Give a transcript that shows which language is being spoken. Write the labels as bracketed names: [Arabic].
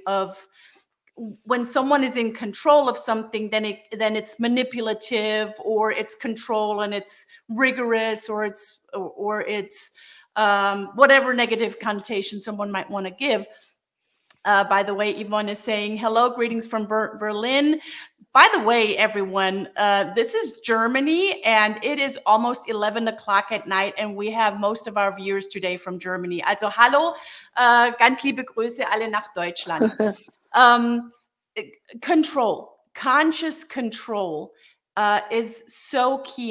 [English] Of when someone is in control of something, then it's manipulative, or it's control and it's rigorous, or it's whatever negative connotation someone might want to give. By the way, Yvonne is saying hello, greetings from Berlin. By the way, everyone, this is Germany, and it is almost 11 o'clock at night, and we have most of our viewers today from Germany. [German] Also hallo, ganz liebe Grüße alle nach Deutschland. [English] Control, conscious control, is so key.